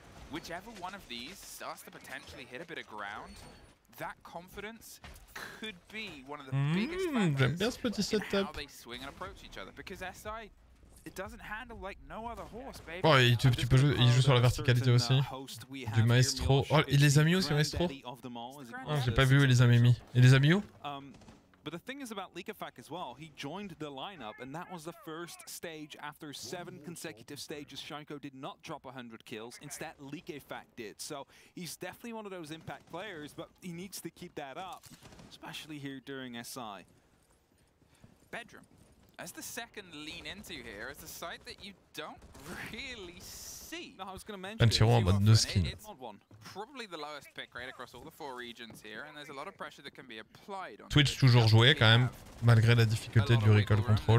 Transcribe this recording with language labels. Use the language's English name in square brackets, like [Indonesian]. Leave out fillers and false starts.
[English] Whichever one of these starts to potentially hit a bit of ground, that confidence could be one of the biggest factors in how they swing and approach each other. Because SI, it doesn't handle like no other horse, baby. [French] Oh, tu peux jouer, il joue sur la verticalité aussi. Du maestro. Oh, il les a mis où ces maestro? Oh, j'ai pas vu où il les a mis. Il les a mis où? [English] But the thing is about Leekafak as well, he joined the lineup and that was the first stage after 7 consecutive stages. Shanko did not drop 100 kills, instead Leekafak did. So he's definitely one of those impact players, but he needs to keep that up, especially here during SI. Bedroom, as the second lean into here, is a site that you don't really see. No, I was going to mention it. It's odd one. Probably the lowest pick rate across all the four regions here, and there's a lot of pressure that can be applied on Twitch. [French] Toujours joué quand même, malgré la difficulté du recoil control.